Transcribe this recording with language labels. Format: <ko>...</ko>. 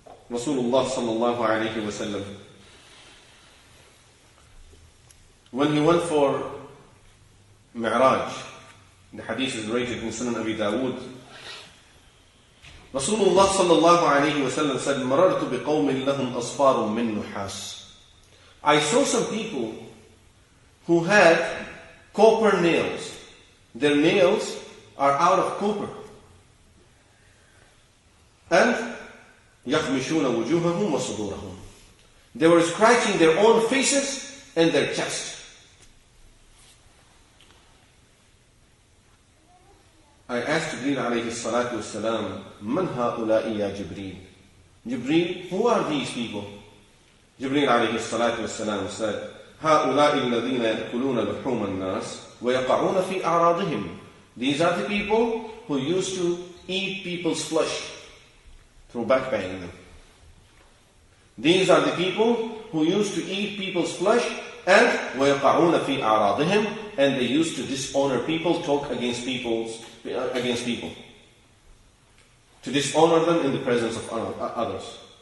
<en>Rasulullah sallallahu alayhi wa sallam, when he went for Mi'raj, the hadith is narrated in Sunan Abi Dawood, Rasulullah sallallahu alayhi wa sallam said,</en> <ar>مَرَرْتُ بِقَوْمٍ لَهُمْ أَصْفَارٌ مِّن نُحَاسٍ.</ar> <en>I saw some people who had copper nails. Their nails are out of copper.</en> <ar>And يَخْمِشُونَ وُجُوهَهُمْ وَصُدُورَهُمْ.</ar> <en>They were scratching their own faces and their chest. I asked Jibreel alayhi salatu wasalam,</en> <ar>من هؤلاء يا جبريل?</ar> <en>Jibreel, who are these people?</en> <ar>Jibreel alayhi salatu wasalam said, هؤلاء الذين يأكلون لحوم الناس ويقعون في أعراضهم.</ar> <en>These are the people who used to eat people's flesh through backbiting them. These are the people who used to eat people's flesh and</en> <ar>ويقعون في أعراضهم,</ar> <en>and they used to dishonor people, talk against people's against people, to dishonor them in the presence of others.</en>